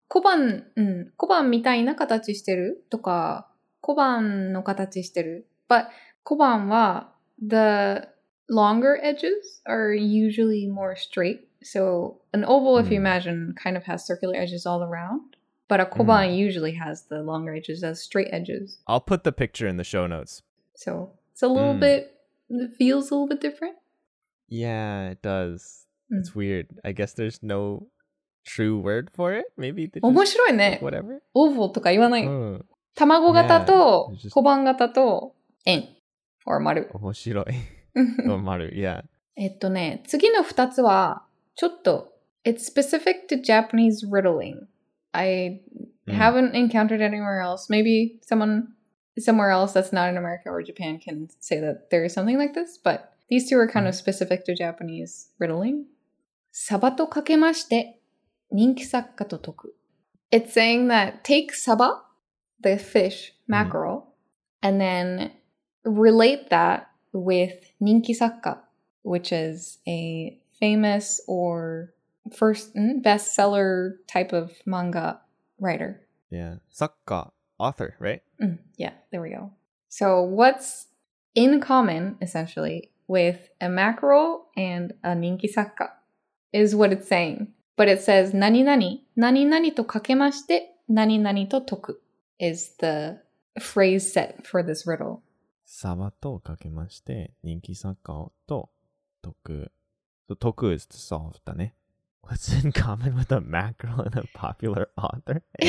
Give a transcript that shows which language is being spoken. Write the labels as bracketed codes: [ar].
[ja] 小判、うん、小判みたいな形してるとか、小判の形してる。 [en] But 小判は、the longer edges are usually more straight. So an oval, if you imagine, kind of has circular edges all around. But a 小判 usually has the longer edges as straight edges. I'll put the picture in the show notes. So it's a little bit, it feels a little bit different. Yeah, it does. It's weird. I guess there's no true word for it. Maybe they just, [ja] 面白いね。 [en] Whatever. [ja] Oval とか言わない。卵型と小判型と円。Or 丸。面白い。丸、yeah. 次の二つはちょっと [en] It's specific to Japanese riddling. I haven't encountered anywhere else. Maybe somewhere else that's not in America or Japan can say that there is something like this, but... These two are kind of specific to Japanese riddling. [ja] サバとかけまして人気作家と解く。 [en] It's saying that take サバ, the fish, mackerel, and then relate that with 人気作家, which is a famous or first bestseller type of manga writer. Yeah, 作家, author, right? Yeah, there we go. So what's in common, essentially,with a mackerel and a 人気作家 is what it's saying. But it says [ja] 何々、何々とかけまして何々と解く [en] is the phrase set for this riddle. [ja] サバとかけまして人気作家と解く。 [en] So 解く is to solve だね。 What's in common with a mackerel and a popular author?